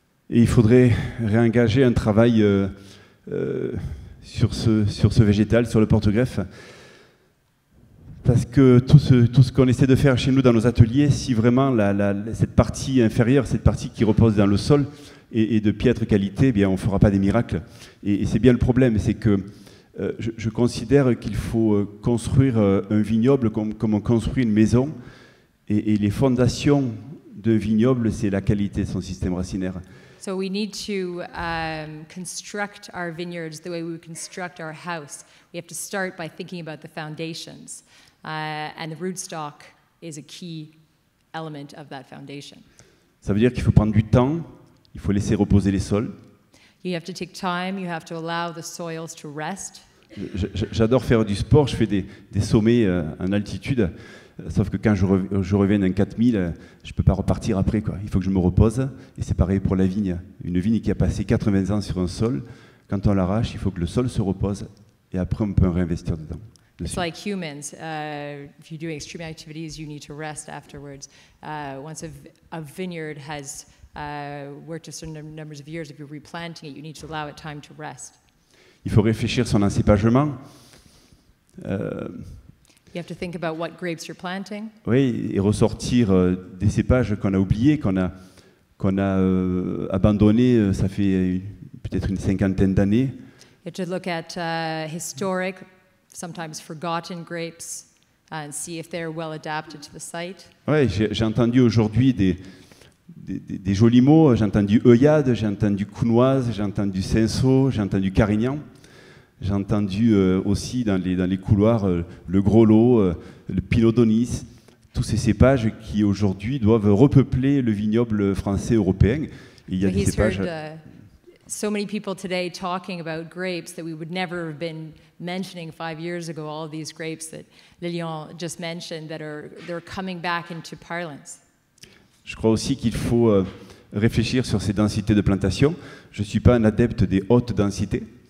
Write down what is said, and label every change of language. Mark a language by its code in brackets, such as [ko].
[fr] Et il faudrait réengager un travail sur ce végétal, sur le porte-greffe, parce que tout ce qu'on essaie de faire chez nous dans nos ateliers, si vraiment cette partie inférieure, cette partie qui repose dans le sol, est de piètre qualité, eh bien on ne fera pas des miracles. Et c'est bien le problème, c'est que je considère qu'il faut construire un vignoble comme on construit une maison. Et les fondations d'un vignoble, c'est la qualité de son système racinaire. [en] So we need to construct our vineyards the way we construct our house. We have to start by thinking about the foundations. And the rootstock is a key element of that foundation. [fr] Ça veut dire qu'il faut prendre du temps, il faut laisser reposer les sols. [en] You have to take time, you have to allow the soils to rest. [fr] J'adore faire du sport, je fais des sommets en altitude, sauf que quand je reviens d'un 4000, je ne peux pas repartir après, quoi. Il faut que je me repose, et c'est pareil pour la vigne. Une vigne qui a passé 80 ans sur un sol, quand on l'arrache, il faut que le sol se repose, et après on peut en réinvestir dedans. [en] It's like humans. If you do extreme activities, you need to rest afterwards. Once a vineyard has worked a certain number of years, if you're replanting it, you need to allow it time to rest. [fr] Il faut réfléchir son encépagement. [en] You have to think about what grapes you're planting. [fr] Oui, et ressortir des cépages qu'on a oubliés, qu'on a abandonnés, ça fait peut-être une cinquantaine d'années. [en] You have to look at historic, sometimes forgotten grapes, and see if they're well adapted to the site. [fr] Ouais, j'ai entendu aujourd'hui des jolis mots. J'ai entendu œillade, j'ai entendu counoise, j'ai entendu cinceau, j'ai entendu carignan. J'ai entendu aussi dans les couloirs le grolot, le pilodonis, tous ces cépages qui aujourd'hui doivent repeupler le vignoble français européen. Il y a des cépages. [en] So many people today talking about grapes that we would never have been mentioning 5 years ago, all these grapes that Lilian just mentioned that are they're coming back into parlance. [fr] Je crois aussi qu'il faut réfléchir sur ces densités de plantation. Je ne suis pas un adepte des hautes densités.